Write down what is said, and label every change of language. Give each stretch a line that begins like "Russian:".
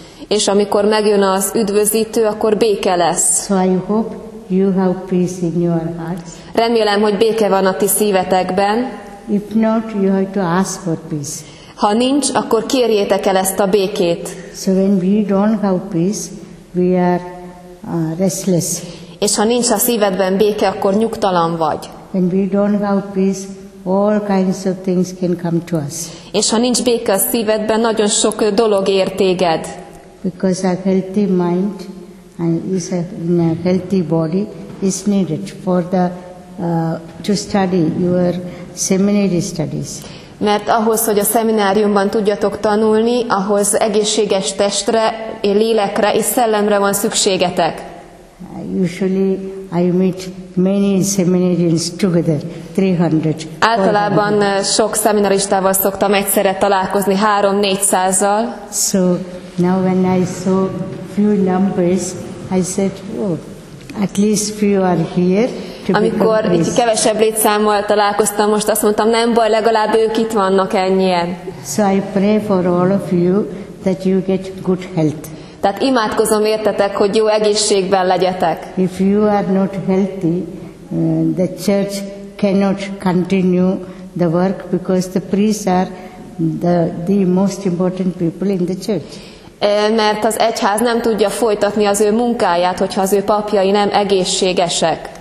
Hungarian: És amikor megjön az üdvözítő, akkor béke lesz.
English: So I hope you have peace in your hearts.
Hungarian: Remélem, hogy béke van a ti szívetekben.
English: If not, you have to ask for peace.
Hungarian: Ha nincs, akkor kérjétek el ezt a békét.
English: So when we don't have peace, we are restless.
Hungarian: És ha nincs a szívedben béke, akkor nyugtalan vagy.
English: When we don't have peace, all kinds of things can come to us.
Hungarian: És ha nincs béke a szívedben, nagyon sok dolog ér téged.
English: Because a healthy mind and is a healthy body is needed for the to study your seminary studies.
Hungarian: Mert ahhoz, hogy a szemináriumban tudjatok tanulni, ahhoz egészséges testre, lélekre és szellemre van szükségetek.
English: Usually I meet many seminarians together, 300.
Hungarian: Általában sok szemináristával szoktam egyszerre találkozni, 300-400-al.
English: So now when I saw few numbers, I said, oh, at least few are here.
Hungarian: Amikor egy kevesebb létszámmal találkoztam, most azt mondtam, nem baj, legalább ők itt vannak ennyien.
English: So I pray for all of you that you get good health.
Hungarian: Tehát imádkozom értetek, hogy jó egészségben legyetek.
English: If you are not healthy, the church cannot continue the work because the priests are the most important people in the church.
Hungarian: Mert az egyház nem tudja folytatni az ő munkáját, hogyha az ő papjai nem egészségesek.